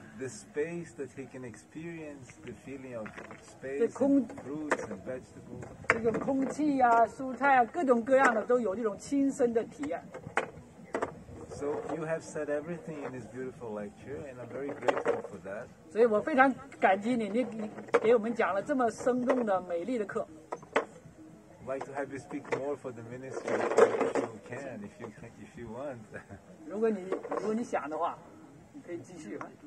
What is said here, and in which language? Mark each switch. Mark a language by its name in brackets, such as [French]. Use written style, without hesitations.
[English] The space that he can experience the feeling of space, fruits and vegetables. [Chinese] 这个空气啊，蔬菜啊，各种各样的都有这种亲身的体验。 [English] So you have said everything in this beautiful lecture, and I'm very grateful for that. [Chinese] 所以我非常感激你，你给我们讲了这么生动的、美丽的课。 [English] I'd like to have you speak more for the ministry if you want. [Chinese] 如果你想的话，你可以继续。